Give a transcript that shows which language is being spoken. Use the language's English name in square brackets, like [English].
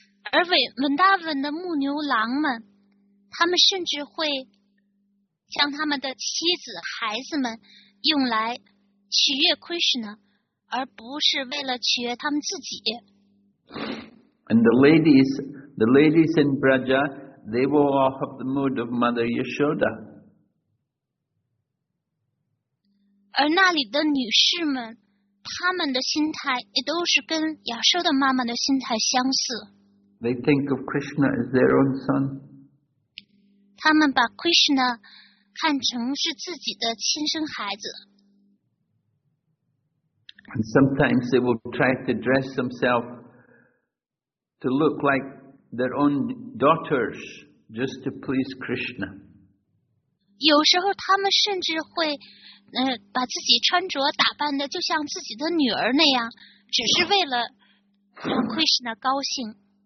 [Chinese] 而Vrindavan的牧牛郎们，他们甚至会将他们的妻子、孩子们用来取悦 Krishna， 而不是为了取悦他们自己。 [English] And the ladies in Braja, they will all have the mood of Mother Yashoda. [Chinese] 而那里的女士们，她们的心态也都是跟亚修的妈妈的心态相似。 [English] They think of Krishna as their own son. [Chinese] 她们把 Krishna 看成是自己的亲生孩子。 [English] And sometimes they will try to dress themselves to look like their own daughters just to please Krishna. [Chinese] 有时候他们甚至会把自己穿着打扮的就像自己的女儿那样，只是为了让 Krishna 高兴。